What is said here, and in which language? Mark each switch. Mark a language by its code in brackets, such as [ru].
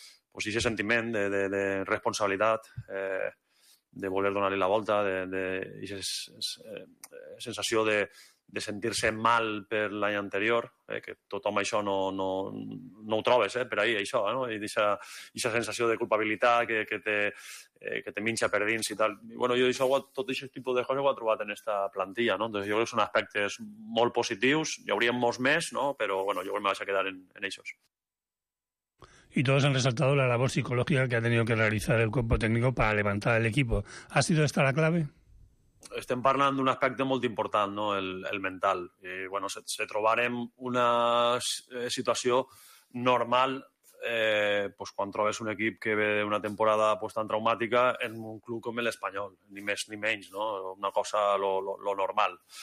[ca] Pues, aquest sentiment de responsabilitat, de voler donar-li la volta, aquesta sensació de sentir-se mal per l'any anterior, que tothom això no ho trobes, per ahir, això, no? I aquesta sensació de culpabilitat que te minxa per dins i tal. I, bueno, jo això, tot aquest tipus de coses ho he trobat en aquesta plantilla, no? Entonces, jo crec que són aspectes molt positius, hi hauríem molts més, no? Però, bueno, jo crec que me vaig a quedar en aquests. [es] Y todos han resaltado la labor psicológica que ha tenido que realizar el cuerpo técnico para levantar el equipo. ¿Ha sido esta la clave? [ca] Estem parlant d'un aspecte molt important, no? El mental. I, bueno, se trobarem una situació normal pues, quan trobes un equip que ve d'una temporada pues, tan traumàtica en un club com l'Espanyol, ni més ni menys, no? Una cosa, lo normal.